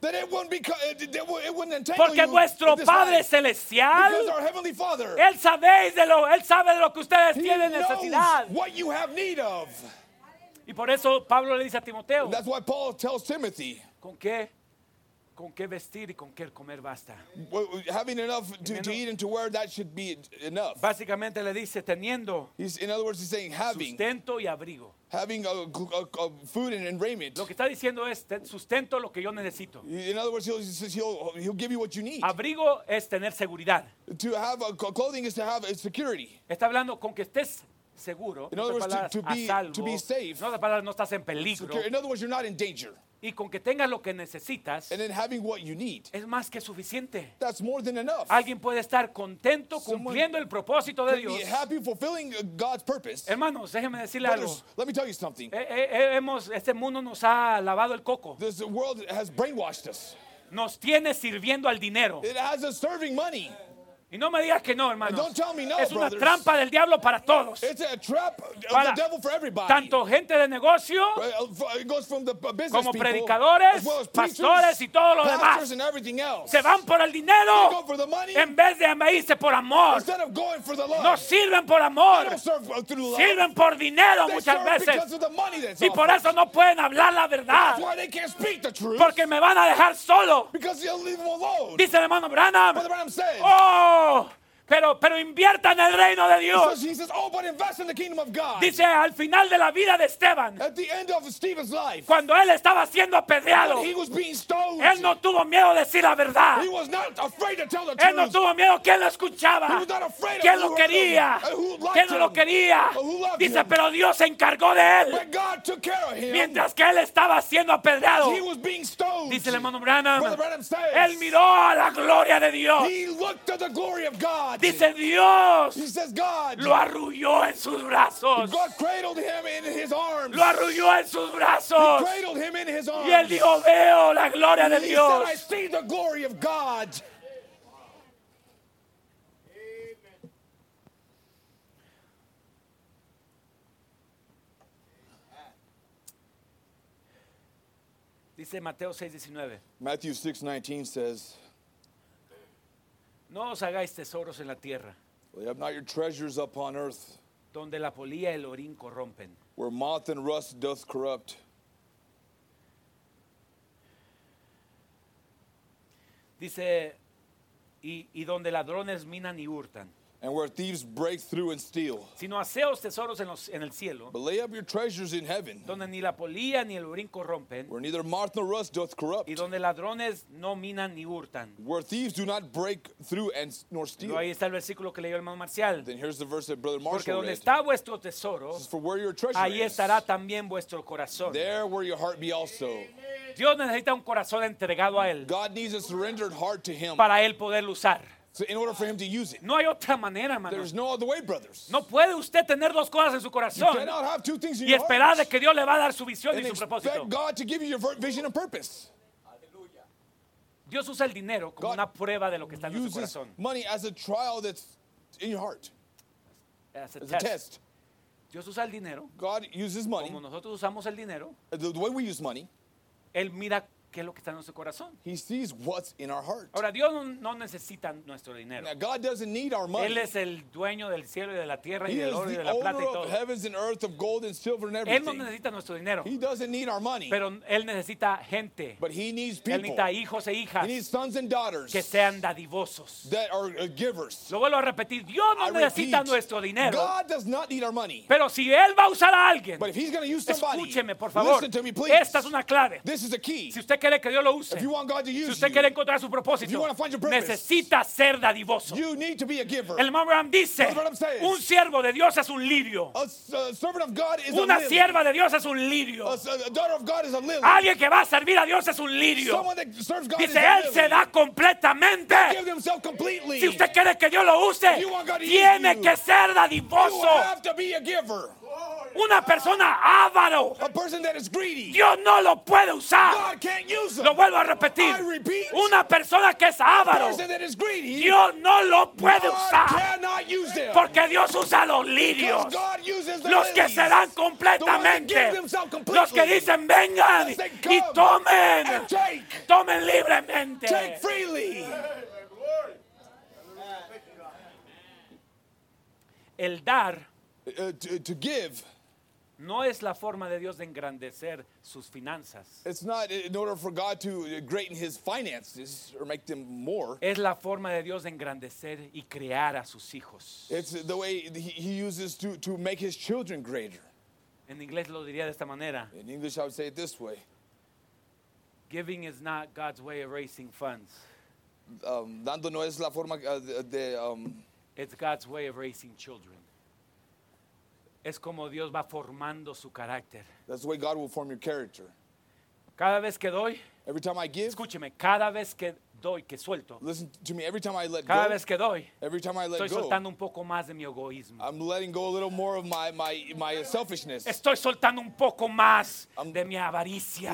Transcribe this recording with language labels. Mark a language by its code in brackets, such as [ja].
[en] That it wouldn't be, it wouldn't entangle [es] Porque [en] you [es] vuestro Padre celestial, [en] because our Heavenly Father, [es] él sabe de lo que ustedes tienen necesidad. [en] What you have need of. [es] Y por eso Pablo le dice a Timoteo. [en] And that's why Paul tells Timothy. [es] ¿Con qué vestir y con qué comer basta? [en] Well, having enough to eat and to wear, that should be enough. [es] Básicamente le dice teniendo. [en] In other words, he's saying having. [es] Sustento y abrigo. [en] Having a food and raiment. [es] Lo que está diciendo es sustento lo que yo necesito. [en] In other words, he'll give you what you need. [es] Abrigo es tener seguridad. [en] To have a clothing is to have a security. [es] Está hablando con que estés seguro. [en] In other words, to be safe. [es] No, palabras, no estás en peligro. [en] In other words, you're not in danger. [es] Y con que tengas lo que necesitas, [en] and then having what you need, [es] es más que suficiente. [en] That's more than enough. [es] Alguien puede estar contento cumpliendo el propósito de Dios. [en] Happy fulfilling God's purpose. [es] Hermanos, déjenme decirle algo. [en] Let me tell you something. [es] Este mundo nos ha lavado el coco. [en] This world has brainwashed us. [es] Nos tiene sirviendo al dinero. [en] It has us serving money. [es] Y no me digas que no, hermanos. [en] And don't tell me no, [es] es una [en] brothers. [es] Trampa del diablo para todos. [en] It's a trap of the devil for everybody. [es] Tanto gente de negocio, [en] it goes from the business people, [es] como predicadores, [en] as well as [es] pastores y todo lo demás. [en] Pastors and everything else. [es] Se van por el dinero, [en] they go for the money, [es] en vez de irse por amor. [en] Instead of going for the love. [es] No sirven por amor. [en] They don't serve through love. [es] Sirven por dinero [en] they [es] muchas [en] serve Because of the money that's y offered. [es] Por eso no pueden hablar la verdad. [en] That's why they can't speak the truth. [es] Porque me van a dejar solo. [en] Because you'll leave them alone. [es] Dice el hermano Branham. [en] Brother Branham says, [es] oh, pero invierta en el reino de Dios. [en] So says, oh, but invest in the kingdom of God. [es] Dice al final de la vida de Esteban, [en] at the end of Stephen's life, [es] cuando él estaba siendo apedreado, [en] he was being stoned, [es] él no tuvo miedo de decir la verdad. [en] He was not afraid to tell the truth. [es] Él no tuvo miedo, quién lo escuchaba, [en] he was not afraid [es] quién [en] of [es] lo quería, quién [en] him, [es] no lo quería. Dice, [en] him. [es] Pero Dios se encargó de él. [en] But God took care of him. [es] Mientras que él estaba siendo apedreado, [en] he was being stoned. [es] Dice el hermano Branham, [en] Brother Branham says, [es] él miró a la gloria de Dios. [en] He looked at the glory of God. [es] Dice Dios, [en] he says, God, [es] lo arrulló en sus brazos. [en] God cradled him in his arms. [es] Lo arrulló en sus brazos. [en] He cradled him in his arms. [es] Y él dijo, veo la gloria [en] and [es] de Dios. [en] He said, I see the glory of God. [es] Dice Mateo 6:19. [en] Matthew 6:19 says, [es] no os hagáis tesoros en la tierra. [en] Lay up not your treasures upon earth. [es] Donde la polilla y el orín corrompen. [en] Where moth and rust doth corrupt. [es] Dice, y donde ladrones minan y hurtan. [en] And where thieves break through and steal. [es] Sino haceos tesoros en el cielo. [en] But lay up your treasures in heaven. [es] Donde ni la polilla ni el orín corrompen. [en] Where neither moth nor rust doth corrupt. [es] Y donde ladrones no minan ni hurtan. [en] Where thieves do not break through and nor steal. [es] Ahí está el versículo que leyó el hermano Marcial. [en] Then here's the verse that Brother Marshall [es] Porque donde [en] read. [es] Está vuestro tesoro, [en] this is for where your treasure [es] ahí estará también vuestro corazón. [en] There where your heart be also. [es] Dios necesita un corazón entregado a él. [en] God needs a surrendered heart to him. [es] Para él poderlo usar. [en] So in order for him to use it. [es] No hay otra manera, hermano. [en] There's no other way, brothers. [es] No puede usted tener dos cosas en su corazón. [en] You cannot have two things in [es] y esperar de que Dios le va a dar su visión y su propósito. [en] Expect God to give you your vision and purpose. [es] Aleluya. Dios usa el dinero como [en] God [es] una prueba de lo que está en su corazón. [en] Money as a trial that's in your heart. As a test. [es] Dios usa el dinero. [en] God uses money. [es] Como nosotros usamos el dinero. [en] The way we use money. [es] Él mira qué es lo que está en nuestro corazón. [en] He sees what's in our heart. [es] Ahora, Dios no necesita nuestro dinero. [en] Now, God doesn't need our money. [es] Él es el dueño del cielo y de la tierra y del oro y de la plata y todo. [en] He is the owner of heavens and earth, of gold and silver and everything. [es] Él no necesita nuestro dinero. [en] He doesn't need our money. [es] Pero él necesita gente. [en] But he needs people. [es] Él necesita hijos e hijas. [en] He needs sons and daughters. [es] Que sean dadivosos. [en] That are givers. [es] Lo vuelvo a repetir. Dios no necesita nuestro dinero. [en] God does not need our money. [es] Pero si él va a usar a alguien. [en] But if he's going to use somebody. [es] Escúcheme, por favor. [en] Listen to me, please. [es] Esta es una clave. [en] This is a key. [es] Si usted quiere que Dios lo use, [en] if you want God to use [es] si usted quiere encontrar su propósito, [en] if you want to find your purpose, [es] necesita ser dadivoso. [en] You need to be a giver. [es] El hermano Abraham dice, un siervo de Dios es un lirio. [en] A servant of God is [es] una sierva de Dios es un lirio. [en] A daughter of God is a lily. [es] Alguien que va a servir a Dios es un lirio. [en] Someone that serves God [es] dice, él [en] a lily. [es] Se da completamente. [en] He gives himself completely. [es] Si usted quiere que Dios lo use, tiene que ser dadivoso. [en] You have to be a giver. [es] Una persona avaro. [en] A person that is greedy. [es] Dios no lo puede usar. [en] God can't use him. [es] Lo vuelvo a repetir. [en] I repeat, [es] una persona que es avaro. [en] A person that is greedy. [es] Dios no lo puede [en] God [es] usar. [en] Cannot use them. [es] Porque Dios usa los lirios. [en] God uses the [es] los que se dan completamente. [en] The ones that give themselves completely. [es] Los que dicen vengan y tomen. [en] And take. [es] Tomen libremente. [en] Take freely. [es] El dar. [en] To give. [es] No es la forma de Dios de engrandecer sus finanzas. [en] It's not in order for God to greaten his finances or make them more. [es] Es la forma de Dios de engrandecer y crear a sus hijos. [en] It's the way he uses to make his children greater. [es] En inglés lo diría de esta manera. [en] In English I would say it this way. Giving is not God's way of raising funds. [es] Dando no es la forma de [en] it's God's way of raising children. [es] Es como Dios va formando su carácter. [en] That's the way God will form your character. [es] Cada vez que doy, [en] every time I give, [es] escúcheme, cada vez que doy, que suelto, [en] listen to me, every time I let [es] cada vez que doy, [en] every time I let [es] estoy [en] go, [es] soltando un poco más de mi egoísmo. [en] I'm letting go a little more of my selfishness. [es] Estoy soltando un poco más de mi avaricia.